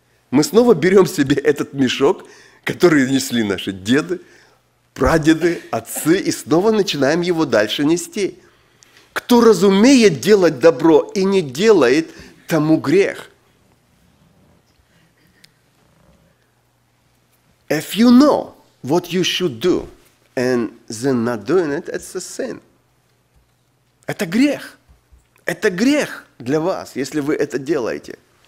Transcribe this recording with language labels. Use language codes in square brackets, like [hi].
[ru] Мы снова берем себе этот мешок, который несли наши деды, прадеды, отцы, и снова начинаем его дальше нести. Кто разумеет делать добро и не делает, тому грех. [en] If you know what you should do and then not doing it, it's a sin. [ru] Это грех. Это грех для вас, если вы это делаете.